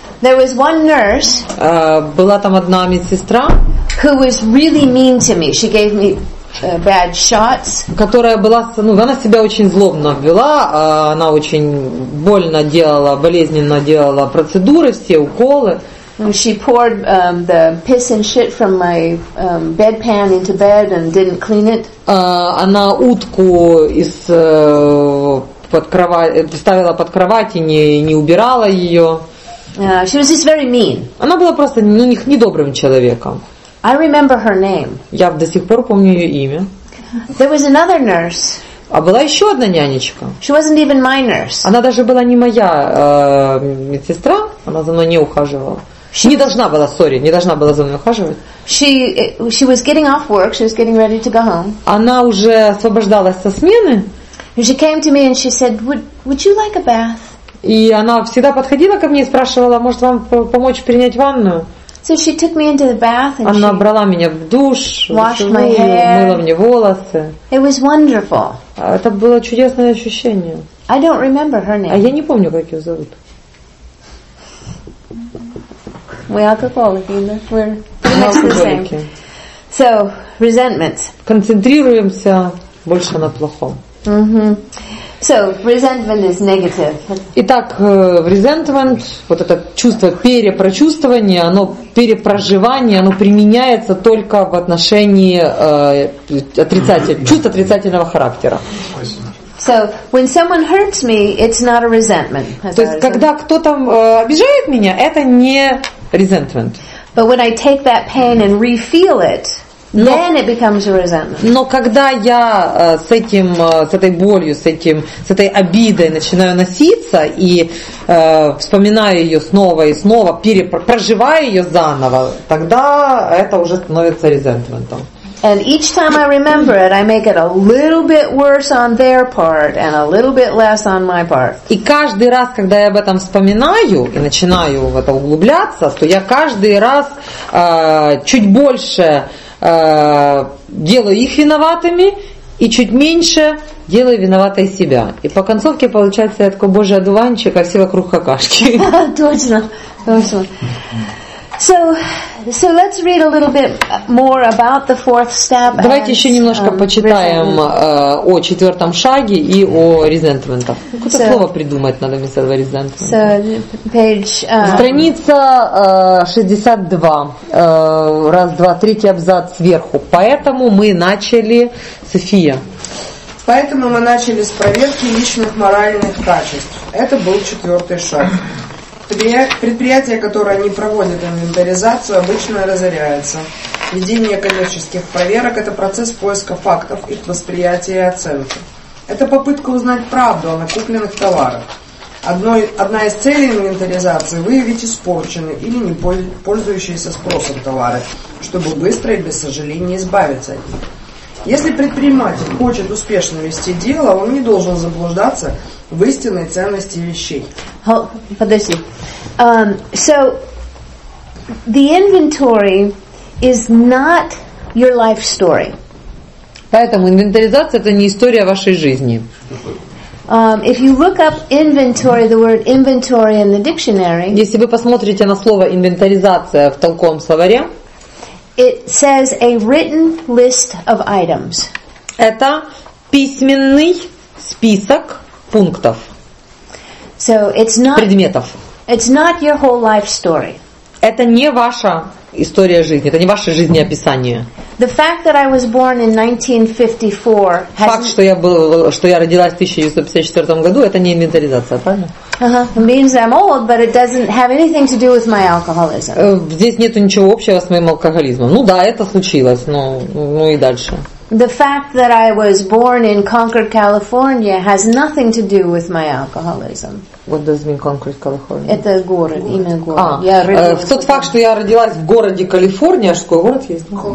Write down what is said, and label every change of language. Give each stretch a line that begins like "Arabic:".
English: There was one nurse.
Russian: Была там одна медсестра,
English: who was really mean to me. She gave me bad shots.
Russian: Которая была, ну, она себя очень злобно ввела, она очень больно делала, болезненно делала процедуры, все уколы.
English: And she poured the piss and shit from my bedpan into bed and didn't clean it.
Russian: Она утку из под кровать ставила под кровать и не убирала ее.
English: She was just very mean.
Russian: Она была просто недобрым человеком.
English: I remember her name.
Russian: Я до сих пор помню ее имя.
English: There was another nurse.
Russian: А была еще одна нянечка.
English: She wasn't even my nurse.
Russian: Она даже была не моя медсестра, она за мной не ухаживала.
English: She
Russian: не должна была,
English: sorry,
Russian: не должна была за мной ухаживать.
English: She was getting off work, she was getting ready to go home.
Russian: Она уже освобождалась со смены.
English: And she came to me and she said, would you like a bath?
Russian: И она всегда подходила ко мне и спрашивала, может вам помочь принять ванную?
English: So she took me into the bath and
Russian: она
English: she
Russian: брала меня в душ,
English: washed my hair,
Russian: мыла мне волосы.
English: It was wonderful.
Russian: Это было чудесное ощущение.
English: I don't remember her name.
Russian: А я не помню, как ее зовут.
English: We alcoholic, you know? We're pretty much the same. So, resentment.
Russian: Концентрируемся больше на плохом.
English: Mm-hmm. So, resentment is negative.
Russian: Итак, resentment, вот это чувство перепрочувствования, оно перепроживание, оно применяется только в отношении чувств отрицательного характера.
English: So, when someone hurts me, it's not a resentment.
Russian: То есть, когда кто-то обижает меня, это не resentment.
English: But when I take that pain and re-feel it, then it becomes a resentment.
Russian: Но когда я с этим, с этой болью, с этой обидой начинаю носиться и вспоминаю ее снова и снова, проживаю ее заново, тогда это уже становится resentment-ом.
English: And each time I remember it, I make it a little bit worse on their part and a little bit less on my part.
Russian: И каждый раз, когда я об этом вспоминаю и начинаю в это углубляться, то я каждый раз чуть больше делаю их виноватыми и чуть меньше делаю виноватой себя. И по концовке получается я такой божий одуванчик, а все вокруг какашки. Точно. Точно.
English: So let's read a little bit more about the fourth step.
Russian: Давайте еще немножко почитаем о четвертом шаге и о резентментах. Какое-то слово придумать надо вместо этого резентмента.
English: So, page...
Russian: Страница 62. Раз, два, третий абзац сверху. Поэтому мы начали... София. Поэтому мы начали с проверки личных моральных качеств. Это был четвертый шаг. Предприятие, которое не проводит инвентаризацию, обычно разоряется. Ведение коммерческих проверок – это процесс поиска фактов, их восприятия и оценки. Это попытка узнать правду о накупленных товарах. Одна из целей инвентаризации – выявить испорченные или не пользующиеся спросом товары, чтобы быстро и без сожаления избавиться от них. Если предприниматель хочет успешно вести дело, он не должен заблуждаться в истинной ценности вещей. Подожди.
English: So the inventory is not your life story.
Russian: Поэтому инвентаризация это не история вашей жизни.
English: If you look up inventory, the word inventory in the dictionary.
Russian: Если вы посмотрите на слово инвентаризация в толковом словаре.
English: It says a written list of items.
Russian: Это письменный список пунктов.
English: So it's not
Russian: предметов.
English: It's not your whole life story.
Russian: Это не ваша история жизни, это не ваше жизнеописание.
English: The fact that I was born in 1954
Russian: Факт, что я родилась в 1954 году, это не инвентаризация, правильно?
English: It means I'm old, but it doesn't have anything to do with my alcoholism.
Russian: Здесь нету ничего общего с моим алкоголизмом. Ну да, это случилось, но ну и дальше.
English: The fact that I was born in Concord, California has nothing to do with my alcoholism. What does mean Concord, California?
Russian: Это город, имя города. В тот факт, что я родилась в городе Калифорния, аж какой город есть?